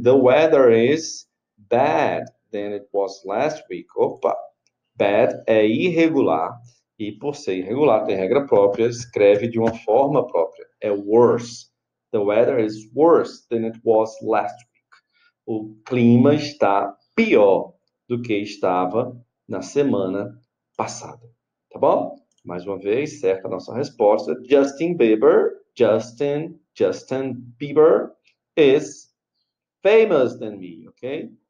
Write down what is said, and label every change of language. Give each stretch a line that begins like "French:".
English: The weather is bad than it was last week.
Portuguese: Opa! Bad é irregular. E por ser irregular, tem regra própria, escreve de uma forma própria. É worse.
English: The weather is worse than it was last week.
Portuguese: O clima está pior do que estava na semana passada. Tá bom? Mais uma vez, certa a nossa resposta.
English: Justin Bieber, Justin Bieber is famous than me, ok?